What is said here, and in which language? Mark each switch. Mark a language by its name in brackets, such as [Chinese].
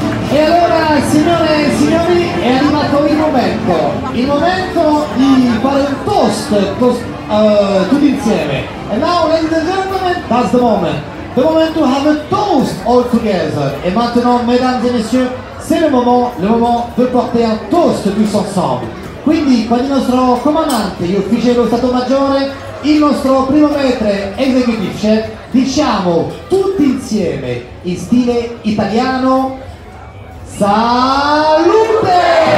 [Italian] E allora, signore e signori, è arrivato il momento di fare un toast tutti insieme. [English] And now, ladies and gentlemen, that's the moment. The moment to have a toast all together. [French] E maintenant, mesdames et messieurs, c'est le moment de porter un toast tous ensemble. [Italian] Quindi, con il nostro comandante, gli ufficiali dello Stato Maggiore, il nostro primo maestro executive chef, diciamo tutti insieme, in stile italiano, salute!